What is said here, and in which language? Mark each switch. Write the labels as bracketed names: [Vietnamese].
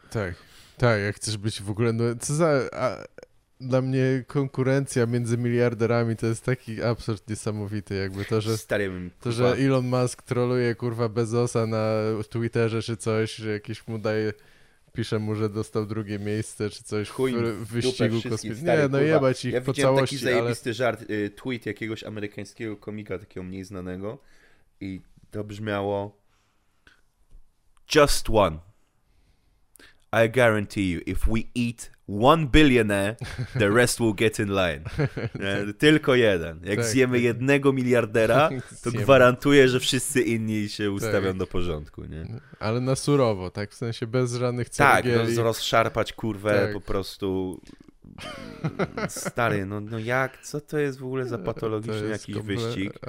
[Polish] Tak, tak, jak chcesz być w ogóle, no co za... Dla mnie konkurencja między miliarderami to jest taki absurd niesamowity, jakby to, że Elon Musk troluje kurwa Bezosa na Twitterze czy coś, że jakiś mu daje, pisze mu, że dostał drugie miejsce czy coś w wyścigu kosmicznym. Nie, no jebać ich po całości, ale... Ja widziałem taki zajebisty żart, tweet jakiegoś amerykańskiego komika, takiego mniej znanego, i to brzmiało: [English] Just one. I guarantee you, if we eat one billionaire, the rest will get in line. [Polish] Tylko jeden. Jak tak, zjemy jednego miliardera, to gwarantuję, że wszyscy inni się ustawią do porządku, nie? Ale na surowo, tak? W sensie bez żadnych cerkieli. Tak, no, rozszarpać kurwę po prostu. Stary, no jak? Co to jest w ogóle za patologiczny jakiś wyścig?